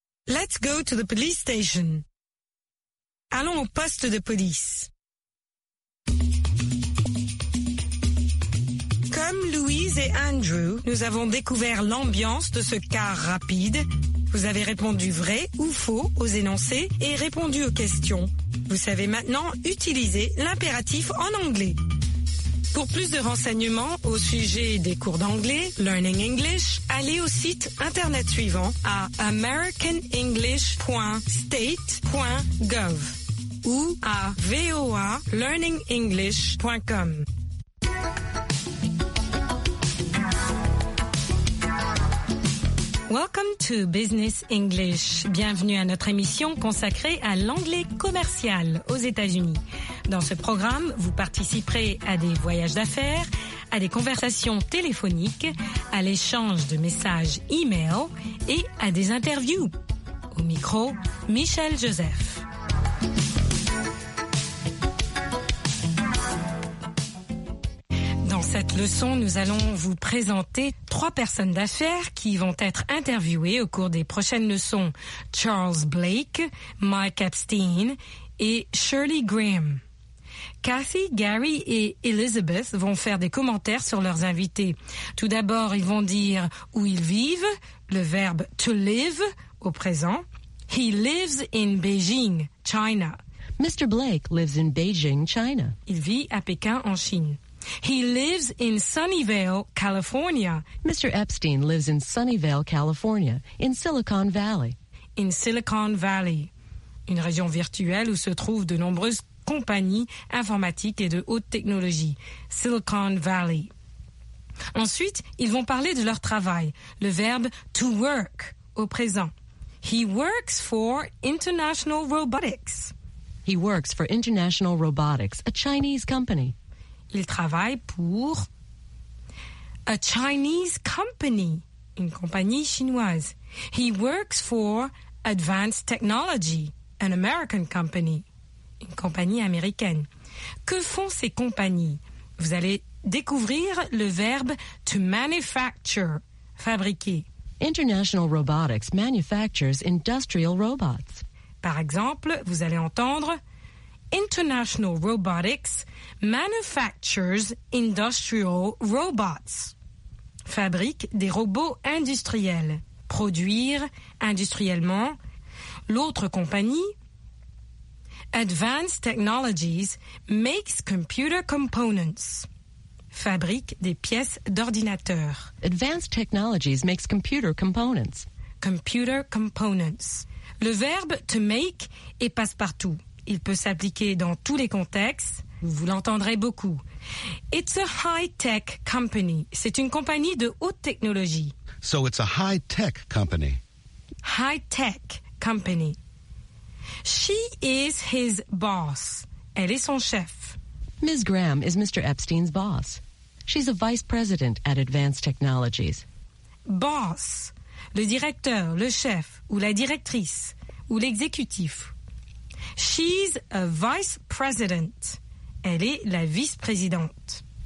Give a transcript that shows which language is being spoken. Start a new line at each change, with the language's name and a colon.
English: Let's go to the police station.
French: Allons au poste de police. Comme Louise et Andrew, nous avons découvert l'ambiance de ce car rapide. Vous avez répondu vrai ou faux aux énoncés et répondu aux questions. Vous savez maintenant utiliser l'impératif en anglais. Pour plus de renseignements au sujet des cours d'anglais, Learning English, allez au site internet suivant à americanenglish.state.gov ou à voalearningenglish.com.
English: Welcome to Business English.
French: Bienvenue à notre émission consacrée à l'anglais commercial aux États-Unis. Dans ce programme, vous participerez à des voyages d'affaires, à des conversations téléphoniques, à l'échange de messages e-mail et à des interviews. Au micro, Michel Joseph. Cette leçon, nous allons vous présenter trois personnes d'affaires qui vont être interviewées au cours des prochaines leçons. Charles Blake, Mike Epstein et Shirley Graham. Kathy, Gary et Elizabeth vont faire des commentaires sur leurs invités. Tout d'abord, ils vont dire où ils vivent, le verbe to live au présent.
English: He lives in Beijing, China. Mr. Blake lives in Beijing, China.
French: Il vit à Pékin, en Chine.
English: He lives in Sunnyvale, California. Mr. Epstein lives in Sunnyvale, California, in Silicon Valley.
French: In Silicon Valley, une région virtuelle où se trouvent de nombreuses compagnies informatiques et de haute technologie. Silicon Valley. Ensuite, ils vont parler de leur travail, le verbe to work au présent.
English: He works for International Robotics. He works for International Robotics, a Chinese company.
French: Il travaille pour
English: a Chinese company,
French: une compagnie chinoise.
English: He works for Advanced Technology, an American company,
French: une compagnie américaine. Que font ces compagnies? Vous allez découvrir le verbe to manufacture, fabriquer.
English: International Robotics manufactures industrial robots.
French: Par exemple, vous allez entendre International Robotics
English: manufactures industrial robots.
French: Fabrique des robots industriels. Produire industriellement. L'autre compagnie, Advanced Technologies
English: makes computer components.
French: Fabrique des pièces d'ordinateur.
English: Advanced Technologies makes computer components. Computer components.
French: Le verbe to make est passe-partout. Il peut s'appliquer dans tous les contextes. Vous l'entendrez beaucoup.
English: It's a high-tech company.
French: C'est une compagnie de haute technologie.
English: So it's a high-tech company. High-tech company. She is his boss.
French: Elle est son chef.
English: Ms. Graham is Mr. Epstein's boss. She's a vice president at Advanced Technologies. Boss.
French: Le directeur, le chef, ou la directrice, ou l'exécutif.
English: She's a vice president.
French: Elle est la vice-présidente.